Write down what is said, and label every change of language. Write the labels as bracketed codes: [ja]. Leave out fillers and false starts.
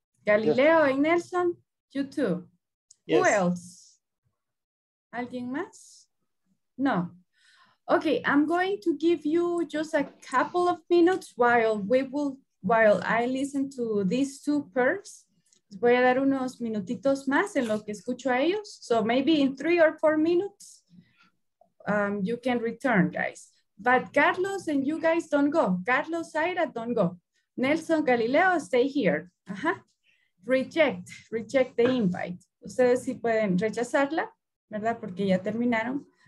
[en] Galileo and Nelson, you too. Yes. Who else? [es] ¿Alguien más? [en] No. Okay, I'm going to give you just a couple of minutes while I listen to these two pairs. [es] Voy a dar unos minutitos más en lo que escucho a ellos. [en] So maybe in 3 or 4 minutes, you can return, guys. But Carlos and you guys don't go. Carlos, Zaira, don't go. Nelson, Galileo, stay here. Uh-huh. Reject the invite. [es] Ustedes sí pueden rechazarla, ¿verdad? Porque ya terminaron.